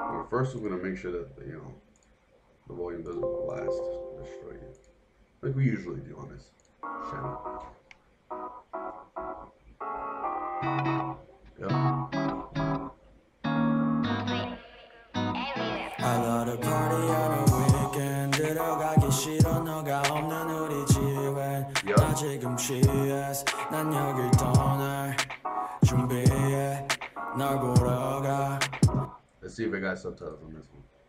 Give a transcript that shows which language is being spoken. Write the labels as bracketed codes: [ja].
[en] First, we're gonna make sure that, the volume doesn't blast, destroy you. Like we usually do on this channel. Yeah. I love to party on a weekend. [ko] 들어가기 싫어 너가 없는 우리 집엔. 나 지금 취해서 난 여길 떠날 준비해 널 보러 가. [en] Let's see if I got subtitles on this one.